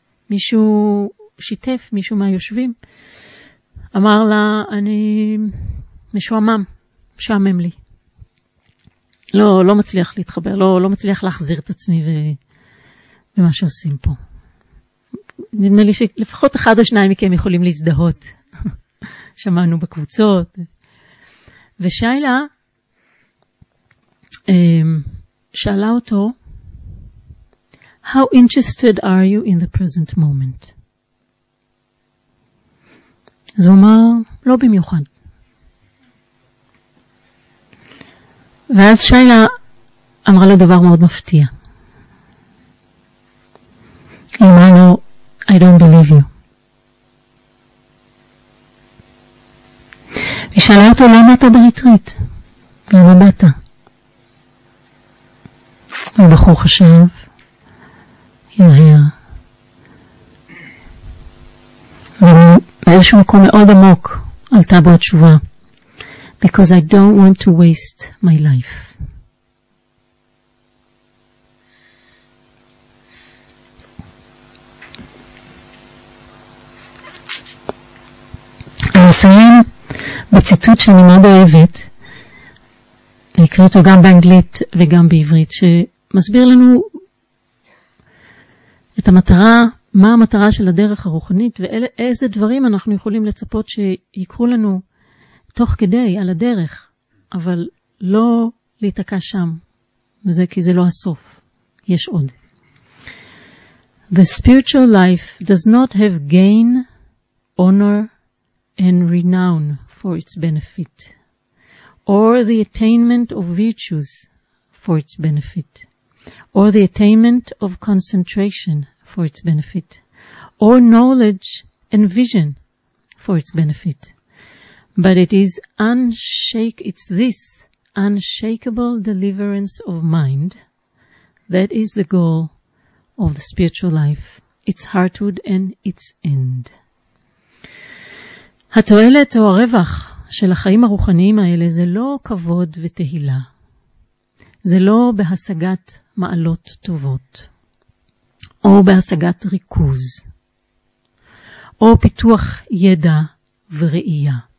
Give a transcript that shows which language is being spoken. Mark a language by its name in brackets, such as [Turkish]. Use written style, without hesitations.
[Hebrew] מישהו שיתף, מישהו מהיושבים, אמר לה, אני משועמם, משעמם לי. לא מצליח להתחבר, לא מצליח להחזיר את עצמי במה שעושים פה. נדמה לי שלפחות אחד או שניים מכם יכולים להזדהות. שמענו בקבוצות. ושיילה שאלה אותו, [English] How interested are you in the present moment? [Hebrew] אז הוא אמר, לא במיוחד. ואז שיילה אמרה לו דבר מאוד מפתיע. אמרנו, [English] I don't believe you. [Hebrew] היא שאלה אותו, למה אתה בריטריט? למה באת? הבחור חשב, הרהר. ובאיזשהו מקום מאוד עמוק, עלתה בו התשובה, [English] Because I don't want to waste my life. [Hebrew] נסיים בציטוט שאני מאוד אוהבת, אני אקריא אותו גם באנגלית וגם בעברית, שמסביר לנו את המטרה, מה המטרה של הדרך הרוחנית, ואיזה דברים אנחנו יכולים לצפות שיקחו לנו תוך כדי על הדרך, אבל לא להתעקע שם, וזה כי זה לא הסוף, יש עוד. [English] The spiritual life does not have gain, honor, and renown for its benefit, or the attainment of virtues for its benefit. or the attainment of concentration for its benefit, or knowledge and vision for its benefit. But it is this unshakable deliverance of mind that is the goal of the spiritual life, its heartwood and its end. [Hebrew] התועלת או הרווח של החיים הרוחניים האלה זה לא כבוד ותהילה. זה לא בהשגת מעלות טובות, או בהשגת ריכוז, או פיתוח ידע וראייה.